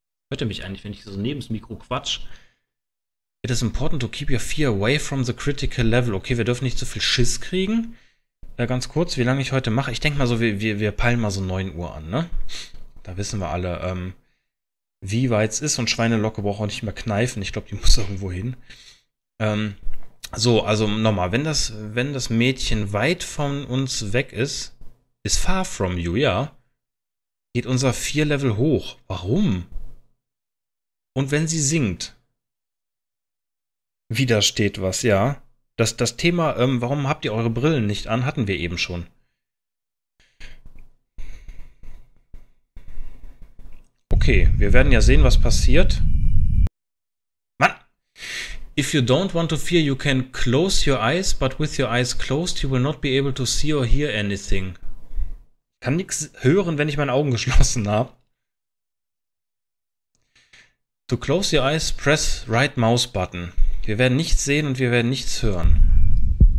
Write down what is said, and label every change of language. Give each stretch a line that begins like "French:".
German: Hört ihr mich eigentlich, wenn ich so neben das Mikro quatsch?
English: It is important to keep your fear away from the critical level.
German: Okay, wir dürfen nicht zu so viel Schiss kriegen. Ganz kurz, wie lange ich heute mache? Ich denke mal so, wir peilen mal so 9 Uhr an, ne? Da wissen wir alle, wie weit es ist und Schweinelocke braucht auch nicht mehr kneifen. Ich glaube, die muss irgendwo hin. So, also nochmal, wenn das Mädchen weit von uns weg ist, ist
English: far from you,
German: ja, geht unser 4-Level hoch. Warum? Und wenn sie singt, widersteht was, ja. Das Thema, warum habt ihr eure Brillen nicht an, hatten wir eben schon. Okay, wir werden ja sehen, was passiert.
English: If you don't want to fear, you can close your eyes, but with your eyes closed, you will not be able to see or hear anything.
German: Kann nichts hören, wenn ich meine Augen geschlossen habe.
English: To close your eyes, press right mouse button.
German: Wir werden nichts sehen und wir werden nichts hören.